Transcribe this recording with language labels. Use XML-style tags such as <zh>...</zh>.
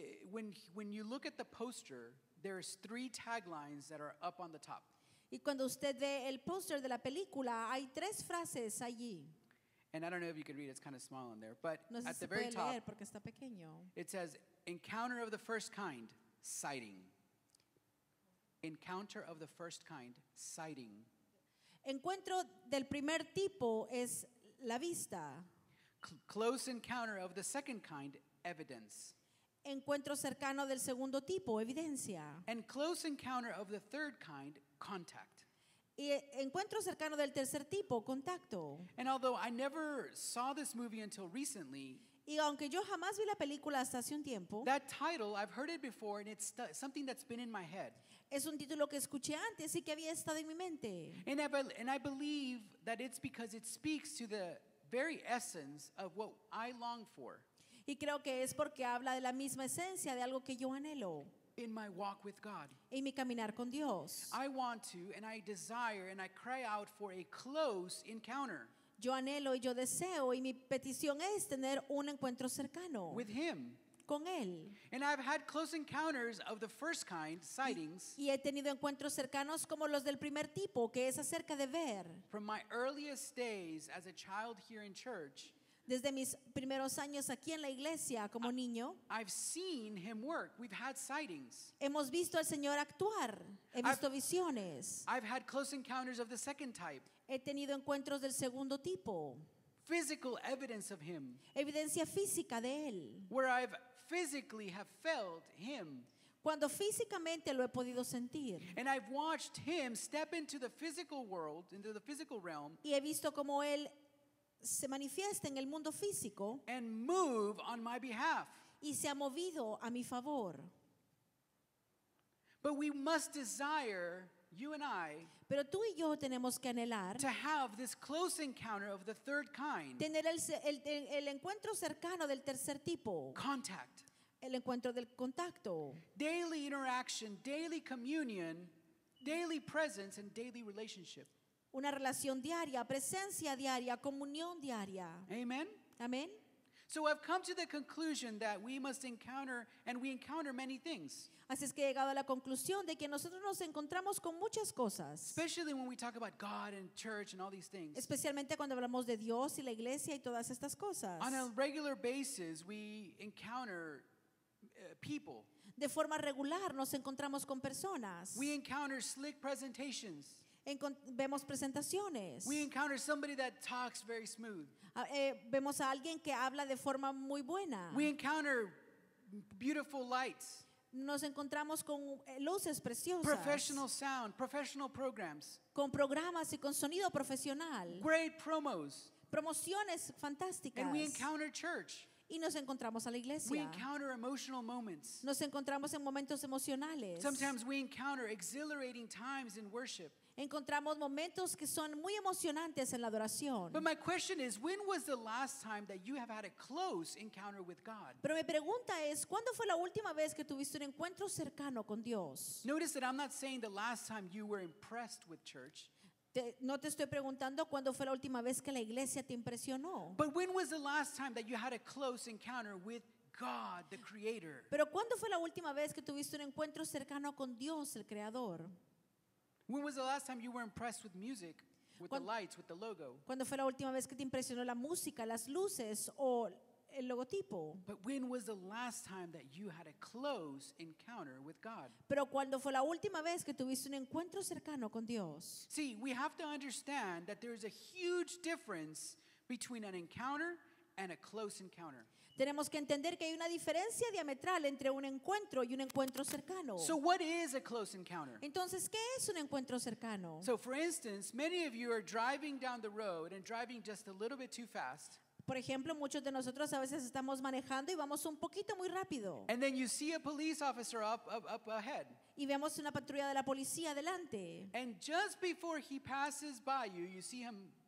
<en>When you look at the poster, there's three taglines that are up on the top.</en> <es>Y cuando usted ve el póster de la película, hay tres frases allí.</es> <en>And I don't know if you can read it, it's kind of small in there, but</en> <es>no sé</es> <en>at</en> <es>si</es> <en>the very</en> <es>puede leer</es> <en>top,</en> <es>porque está pequeño.</es> <en>It says, encounter of the first kind, sighting. Encounter of the first kind, sighting.</en> <es>Encuentro del primer tipo es la vista.</es> <en>Close encounter of the second kind, evidence.</en> <es>Encuentro cercano del segundo tipo, evidencia.</es> <en>And close encounter of the third kind, contact.</en> <es>Y encuentro cercano del tercer tipo, contacto.</es> <en>And although I never saw this movie until recently,</en> <es>y aunque yo jamás vi la película hasta hace un tiempo,</es> <en>that title, I've heard it before, and it's something that's been in my head.</en> <es>Es un título que escuché antes y que había estado en mi mente.</es> <en>And I believe that it's because it speaks to the very essence of what I long for.</en> <es>Y creo que es porque habla de la misma esencia de algo que yo anhelo.</es> <en>In my walk with God.</en> <es>En mi caminar con Dios.</es> <en>I want to and I desire and I cry out for a close encounter.</en> <es>Yo anhelo y yo deseo y mi petición es tener un encuentro cercano.</es> <en>With him.</en> <es>Con él.</es> <en>And I've had close encounters of the first kind, sightings.</en> <es>Y he tenido encuentros cercanos como los del primer tipo, que es acerca de ver.</es> <en>From my earliest days as a child here in church.</en> <es>Desde mis primeros años aquí en la iglesia como niño,</es> <en>I've seen him work. We've had sightings.</en> <es>Hemos visto al Señor actuar. He visto visiones.</es> <en>I've had close encounters of the second type.</en> <es>He tenido encuentros del segundo tipo.</es> <en>Physical evidence of him.</en> <es>Evidencia física de él.</es> <en>Where I've physically have felt him.</en> <es>Cuando físicamente lo he podido sentir.</es> <en>And I've watched him step into the physical world, into the physical realm.</en> <es>Y he visto como él se manifiesta en el mundo físico</es> <en>and move on my behalf.</en> <es>Y se ha movido a mi favor.</es> <en>But we must desire, you and I,</en> <es>pero tú y yo tenemos que anhelar</es> <en>to have this close encounter of the third kind.</en> <es>Tener el encuentro cercano del tercer tipo.</es> <en>Contact.</en> <es>El encuentro del contacto.</es> <en>Daily interaction, daily communion, daily presence and daily relationship.</en> <es>Una relación diaria, presencia diaria, comunión diaria.</es> <en>Amen. Amen. So I've come to the conclusion that we must encounter, and we encounter many things.</en> <es>Así es que he llegado a la conclusión de que nosotros nos encontramos con muchas cosas.</es> <en>Especially when we talk about God and church and all these things.</en> <es>Especialmente cuando hablamos de Dios y la iglesia y todas estas cosas.</es> <en>On a regular basis, we encounter people.</en> <es>De forma regular, nos encontramos con personas.</es> <en>We encounter slick presentations.</en> <es>Vemos presentaciones.</es> <en>We encounter somebody that talks very smooth.</en> <es>Vemos a alguien que habla de forma muy buena.</es> <en>We encounter beautiful lights.</en> <es>Nos encontramos con luces preciosas.</es> <en>Professional sound, professional programs.</en> <es>Con programas y con sonido profesional.</es> <en>Great promos.</en> <es>Promociones fantásticas.</es> <en>And we encounter church.</en> <es>Y nos encontramos a la iglesia.</es> <en>We encounter emotional moments.</en> <es>Nos encontramos en momentos emocionales.</es> <en>Sometimes we encounter exhilarating times in worship.</en> <es>Encontramos momentos que son muy emocionantes en la adoración.</es> <en>But my question is, when was the last time that you have had a close encounter with God?</en> <es>Pero mi pregunta es, ¿cuándo fue la última vez que tuviste un encuentro cercano con Dios?</es> <en>Notice that I'm not saying the last time you were impressed with church.</en> <es>No te estoy preguntando cuándo fue la última vez que la iglesia te impresionó.</es> <en>But when was the last time that you had a close encounter with God, the Creator?</en> <es>Pero ¿cuándo fue la última vez que tuviste un encuentro cercano con Dios, el Creador?</es> <en>When was the last time you were impressed with music, with the lights, with the logo?</en> <es>¿Cuándo fue la última vez que te impresionó la música, las luces o el logotipo?</es> <en>But when was the last time that you had a close encounter with God?</en> <es>Pero ¿cuándo fue la última vez que tuviste un encuentro cercano con Dios?</es> <en>See, we have to understand that there is a huge difference between an encounter and a close encounter.</en> <es>Tenemos que entender que hay una diferencia diametral entre un encuentro y un encuentro cercano.</es> <en>So what is a close encounter?</en> <es>Entonces, ¿qué es un encuentro cercano?</es> <en>So for instance, many of you are driving down the road and driving just a little bit too fast.</en> <es>Por ejemplo, muchos de nosotros a veces estamos manejando y vamos un poquito muy rápido.</es> <en>And then you see a police officer up ahead.</en> <es>Y vemos una patrulla de la policía adelante.</es> <en>And just before he passes by you, you see him.</en>